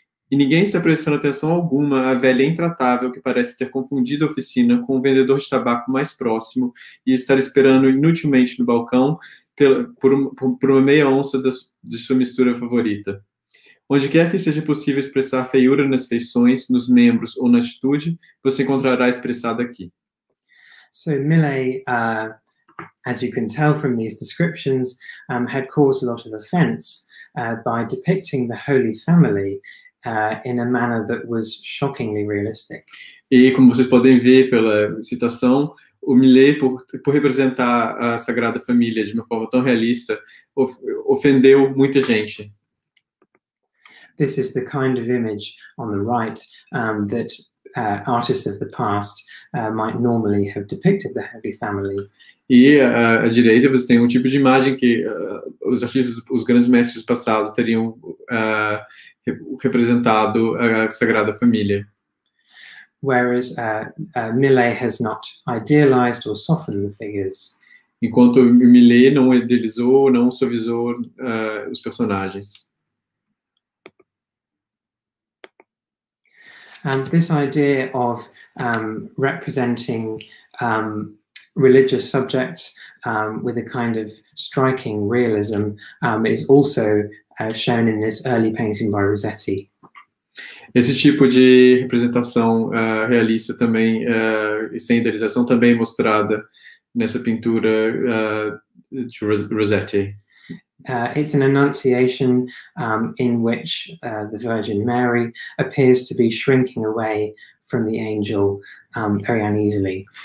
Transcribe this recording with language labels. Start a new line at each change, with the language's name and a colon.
Portuguese: E ninguém está prestando atenção alguma à velha intratável que parece ter confundido a oficina com o vendedor de tabaco mais próximo e estar esperando inutilmente no balcão por uma meia onça de sua mistura favorita. Onde quer que seja possível expressar feiura nas feições, nos membros ou na atitude, você encontrará expressado aqui.
English: So Millet, as you can tell from these descriptions, had caused a lot of offense by depicting the Holy Family in a manner that was shockingly realistic.
Portuguese: E como vocês podem ver pela citação, o Millet, por representar a Sagrada Família de uma forma tão realista, ofendeu muita gente.
English: This is the kind of image on the right that artists of the past might normally have depicted the Holy Family.
Portuguese: E à direita você tem um tipo de imagem que os artistas, os grandes mestres passados teriam representado a Sagrada Família.
English: Whereas Millet has not idealized or softened the figures.
Portuguese: Enquanto Millet não idealizou, não suavizou os personagens.
English: And this idea of representing religious subjects with a kind of striking realism is also shown in this early painting by Rossetti.
Portuguese: Esse tipo de representação realista também, sem idealização, também é mostrada nessa pintura de Rossetti.
English: It's an annunciation in which the Virgin Mary appears to be shrinking away from the angel very uneasily.